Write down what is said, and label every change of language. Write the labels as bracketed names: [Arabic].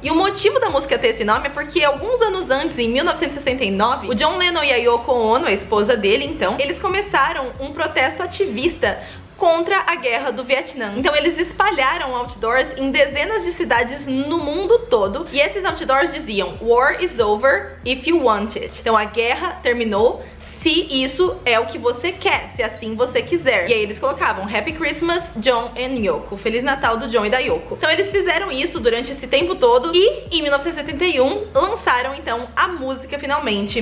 [Portuguese] E o motivo da música ter esse nome é porque alguns anos antes, em 1969, o John Lennon e a Yoko Ono, a esposa dele, então, eles começaram um protesto ativista contra a guerra do Vietnã. Então eles espalharam outdoors em dezenas de cidades no mundo todo. E esses outdoors diziam: [English] War is over if you want it. [Portuguese] Então a guerra terminou se isso é o que você quer, se assim você quiser. E aí eles colocavam [English] Happy Christmas, John and Yoko. [Portuguese] Feliz Natal do John e da Yoko. Então eles fizeram isso durante esse tempo todo. E em 1971 lançaram então a música finalmente.